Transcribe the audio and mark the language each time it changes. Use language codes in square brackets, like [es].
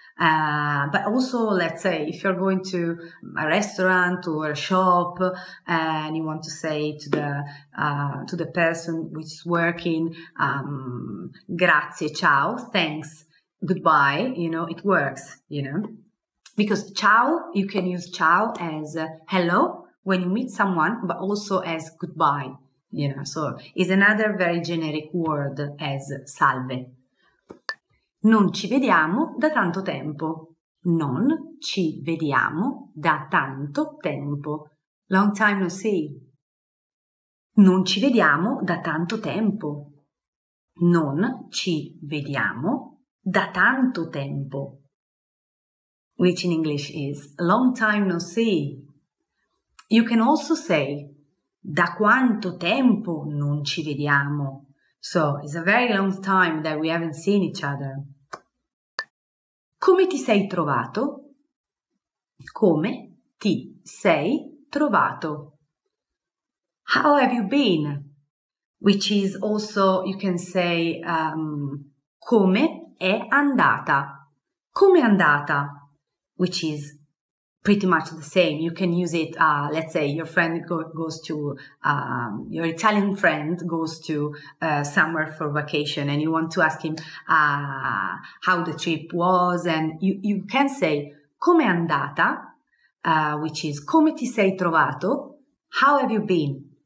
[en] But also, let's say, if you're going to a restaurant or a shop and you want to say to the person which is working, [it] grazie, ciao, [en] thanks, goodbye, you know, it works, you know. Because ciao, you can use ciao as hello when you meet someone, but also as goodbye, you know. So it's another very generic word as salve. [it] Non ci vediamo da tanto tempo. Non ci vediamo da tanto tempo. [en] Long time no see. [it] Non ci vediamo da tanto tempo. Non ci vediamo da tanto tempo. [en] Which in English is long time no see. You can also say [it] da quanto tempo non ci vediamo. [en] So it's a very long time that we haven't seen each other. [it] Come ti sei trovato? Come ti sei trovato? [en] How have you been? Which is also, you can say, [it] come è andata? Come è andata? [en] Which is pretty much the same. You can use it, let's say your friend goes to, your Italian friend goes to somewhere for vacation and you want to ask him how the trip was, and you can say [it] come è andata, [en] which is [it] come ti sei trovato, [en] how have you been?